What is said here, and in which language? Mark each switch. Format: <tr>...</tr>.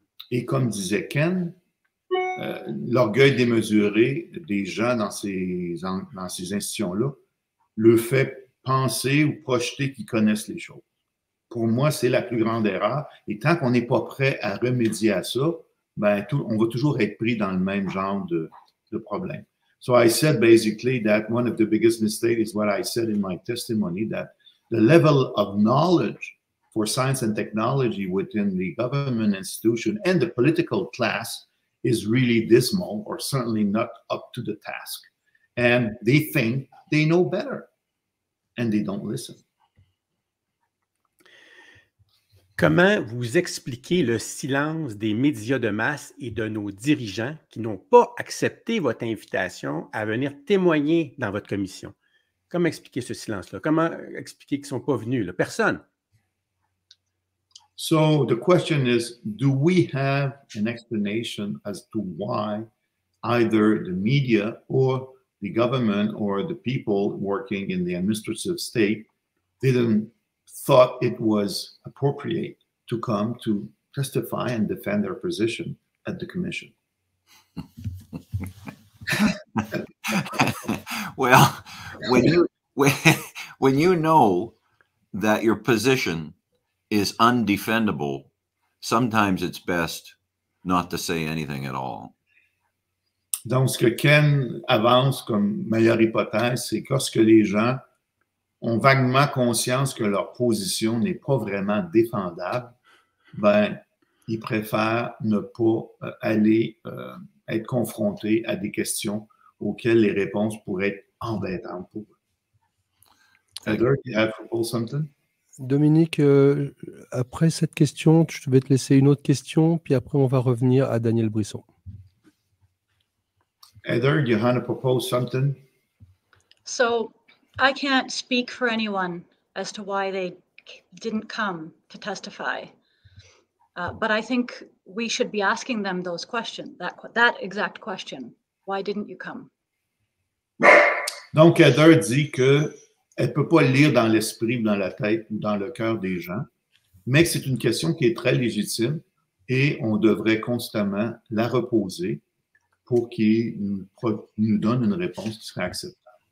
<fr>Et comme disait Ken, l'orgueil démesuré des gens dans ces institutions-là le fait penser ou projeter qu'ils connaissent les choses. Pour moi, c'est la plus grande erreur. Et tant qu'on n'est pas prêt à remédier à ça, on va toujours être pris dans le même genre de problème.</fr> <en>So I said basically that one of the biggest mistakes is what I said in my testimony, that the level of knowledge for science and technology within the government institution and the political class is really dismal or certainly not up to the task. And they think they know better and they don't listen.</en> <fr>Comment vous expliquez le silence des médias de masse et de nos dirigeants qui n'ont pas accepté votre invitation à venir témoigner dans votre commission? Comment expliquer ce silence-là? Comment expliquer qu'ils ne sont pas venus? Là? Personne.</fr> <en>So, the question is, do we have an explanation as to why either the media or the government or the people working in the administrative state didn't thought it was appropriate to come to testify and defend their position at the commission. Well, when you know that your position is undefendable, sometimes it's best not to say anything at all.</en> <fr>Donc, ce que Ken avance comme meilleure hypothèse, c'est que lorsque les gens ont vaguement conscience que leur position n'est pas vraiment défendable, ben, ils préfèrent ne pas aller être confrontés à des questions auxquelles les réponses pourraient être embêtantes pour eux.</fr> <en>Heather, do you have to propose something?</en> <fr>Dominique, après cette question, je vais te laisser une autre question, puis après on va revenir à Daniel Brisson.</fr> <en>Heather, do you want to propose something? So, I can't speak for anyone as to why they didn't come to testify. But I think we should be asking them those questions, that exact question. Why didn't you come?</en> <fr>Donc, Heather dit que elle peut pas lire dans l'esprit, dans la tête, dans le cœur des gens, mais que c'est une question qui est très légitime et on devrait constamment la reposer pour qu'ils nous donnent une réponse qui serait acceptable.</fr>